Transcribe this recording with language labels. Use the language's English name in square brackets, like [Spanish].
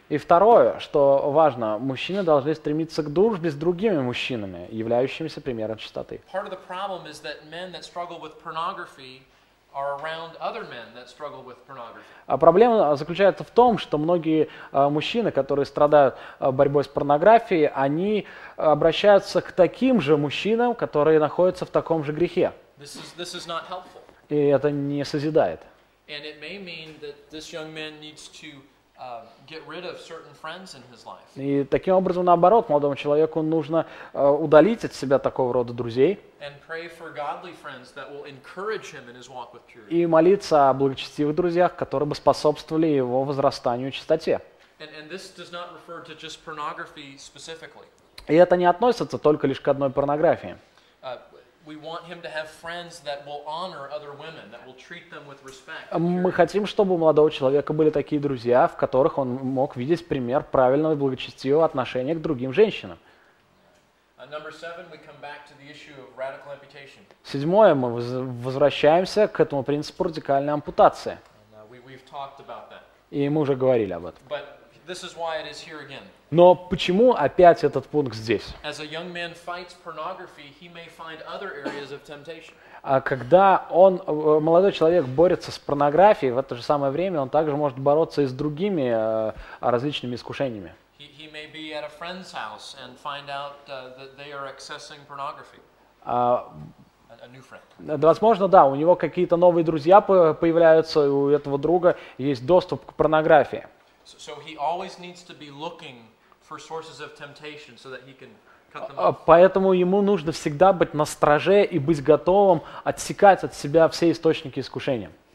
[Russian] И второе, что важно, мужчины должны стремиться к дружбе с другими мужчинами, являющимися примером чистоты. [English] Part of the problem is that men that struggle with pornography are around other men that struggle with pornography. [Russian] А проблема заключается в том, что многие мужчины, которые страдают борьбой с порнографией, они обращаются к таким же мужчинам, которые находятся в таком же грехе. [English] This is not helpful. [Russian] И это не созидает. [English] And it may mean that this young man needs to get rid of certain friends in his life. [Russian] И таким образом, наоборот, молодому человеку нужно удалить от себя такого рода друзей. [English] And pray for godly friends that will encourage him in his walk with purity. [Russian] И молиться о благочестивых друзьях, которые бы способствовали его возрастанию в чистоте. [English] And this does not refer to just pornography specifically. [Russian] И это не относится только лишь к одной порнографии. [English] We want him to have friends that will honor other women, that will treat them with respect. [Russian] Мы хотим, чтобы у молодого человека были такие друзья, в которых он мог видеть пример правильного и благочестивого отношения к другим женщинам. [English] Number seven, we come back to the issue of radical amputation. [Russian] Седьмое, мы возвращаемся к этому принципу радикальной ампутации. [English] We've talked about that. [Russian] И мы уже говорили об этом. [English] But this is why it is here again. [Russian] Но почему опять этот пункт здесь? [English] As a young man fights pornography, he may find other areas of temptation. [Russian] А когда он, молодой человек, борется с порнографией, в это же самое время он также может бороться и с другими различными искушениями. [English] He may be at a friend's house and find out that they are accessing pornography. A new friend. [Russian] Возможно, да, у него какие-то новые друзья появляются, у этого друга есть доступ к порнографии. [English] So he always needs to be looking for sources of temptation so that he can cut them off. [Russian] Поэтому ему нужно всегда быть на страже и быть готовым отсекать от себя все источники искушения.